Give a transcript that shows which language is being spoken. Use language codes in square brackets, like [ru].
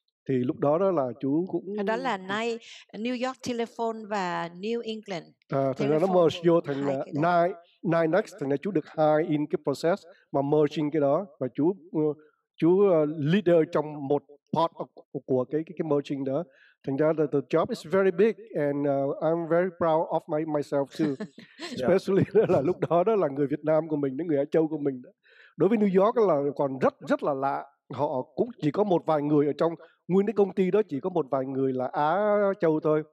[vi] Thì lúc đó là chú cũng... Đó là nay New York Telephone và New England. Thành ra nó merge vô thành là Nine Next. Thành ra chú được hire in cái process mà merging cái đó. Và chú leader trong một part của cái merging đó. Thành ra [en] the job is very big and I'm very proud of myself too. Especially yeah. [vi] Là lúc đó là người Việt Nam của mình, người Á Châu của mình. Đối với New York là còn rất rất là lạ. Họ cũng chỉ có một vài người ở trong nguyên cái công ty đó, chỉ có một vài người là Á Châu thôi.